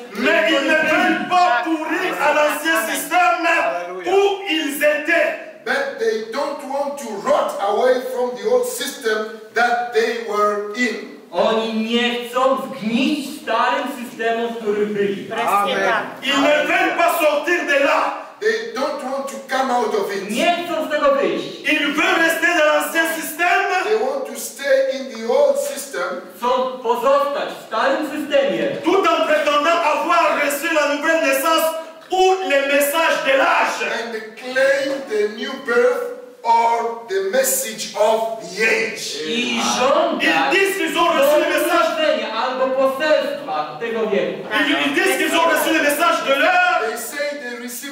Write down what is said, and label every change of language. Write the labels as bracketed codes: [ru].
[fr] Ne veut pas pourrir à l'ancien système où ils étaient. [en] But they don't want to rot away from the old system that they were in. [pl] Oni nie chcą zgnić w starym systemie, w którym byli. Amen. [fr] Ils ne veulent pas sortir de là. [en] They don't want to come out of it. [pl] Nie chcą z tego wyjść. [fr] Ils veulent rester dans l'ancien système. [en] They want to stay in the old system. [pl] Chcą pozostać w starym systemie. [fr] Tout en prétendant avoir reçu la nouvelle naissance ou le message de l'âge. [en] And claim the new birth or the message of the age. [pl] I żądać. [fr] Ils disent qu'ils ont reçu le message [pl] albo poselstwa tego wieku. [fr] Ils disent qu'ils ont reçu le message de l'âge.